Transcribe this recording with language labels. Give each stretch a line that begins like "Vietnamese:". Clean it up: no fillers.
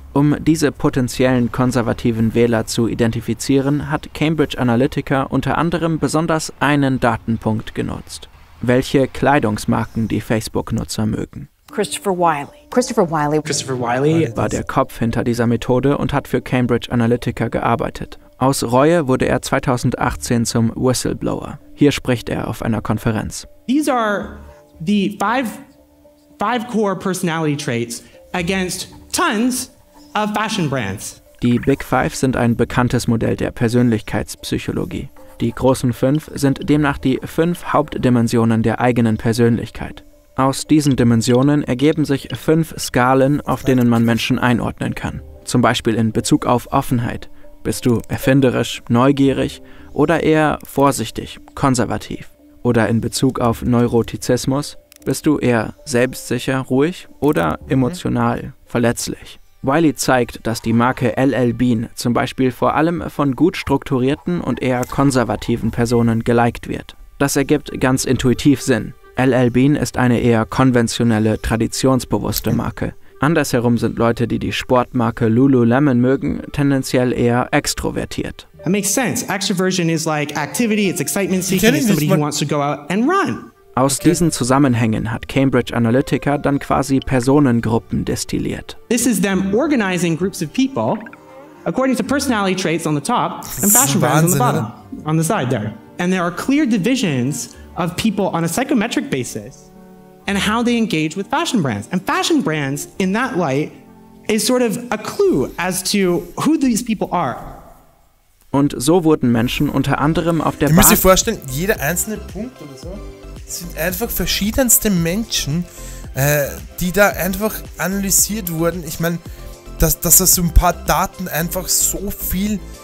German: Um diese potenziellen konservativen Wähler zu identifizieren, hat Cambridge Analytica unter anderem besonders einen Datenpunkt genutzt: welche Kleidungsmarken die Facebook-Nutzer mögen. Christopher Wiley war der Kopf hinter dieser Methode und hat für Cambridge Analytica gearbeitet. Aus Reue wurde er 2018 zum Whistleblower. Hier spricht er auf einer Konferenz.
English: These are the five core personality traits against tons of fashion brands.
German: Die Big Five sind ein bekanntes Modell der Persönlichkeitspsychologie. Die großen fünf sind demnach die fünf Hauptdimensionen der eigenen Persönlichkeit. Aus diesen Dimensionen ergeben sich fünf Skalen, auf denen man Menschen einordnen kann. Zum Beispiel in Bezug auf Offenheit. Bist du erfinderisch, neugierig oder eher vorsichtig, konservativ? Oder in Bezug auf Neurotizismus? Bist du eher selbstsicher, ruhig oder emotional, verletzlich? Wiley zeigt, dass die Marke L.L. Bean zum Beispiel vor allem von gut strukturierten und eher konservativen Personen geliked wird. Das ergibt ganz intuitiv Sinn. L.L. Bean ist eine eher konventionelle, traditionsbewusste Marke. Andersherum sind Leute, die die Sportmarke Lululemon mögen, tendenziell eher extrovertiert.
English: That makes sense. Extroversion is like activity, it's excitement seeking, it's somebody who wants to go out and run.
German: Aus diesen Zusammenhängen hat Cambridge Analytica dann quasi Personengruppen destilliert.
English: This is them organizing groups of people according to personality traits on the top and fashion brands on the bottom, on the side there. And there are clear divisions of people on a psychometric basis and how they engage with fashion brands. And fashion brands in that light is sort of a clue as to who these people are.
German: Und so wurden Menschen unter anderem auf der Basis. Ihr müsst euch vorstellen, jeder einzelne Punkt oder so sind einfach verschiedenste Menschen, die da einfach analysiert wurden. Ich meine, dass das so ein paar Daten einfach so viel.